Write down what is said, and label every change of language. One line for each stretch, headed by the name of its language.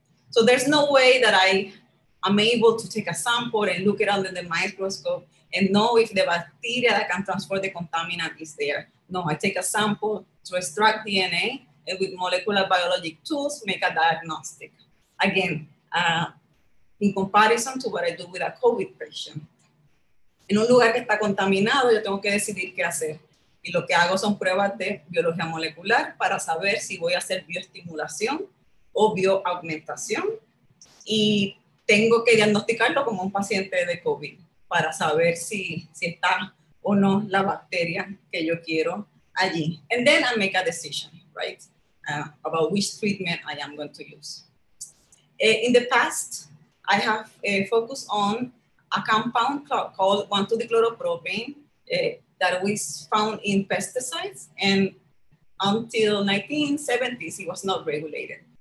English: So there's no way that I am able to take a sample and look it under the microscope and know if the bacteria that can transport the contaminant is there. No, I take a sample to extract DNA and with molecular biology tools, make a diagnostic. Again, in comparison to what I do with a COVID patient.
Spanish: En un lugar que está contaminado, yo tengo que decidir qué hacer. Y lo que hago son pruebas de biología molecular para saber si voy a hacer bioestimulación o bioaugmentación y tengo que diagnosticarlo como un paciente de COVID para saber si está o no la bacteria que yo quiero allí.
English: And then I make a decision, right, about which treatment I am going to use. In the past, I have focused on a compound called 1,2-dichloropropane that was found in pesticides, and until 1970s, it was not regulated.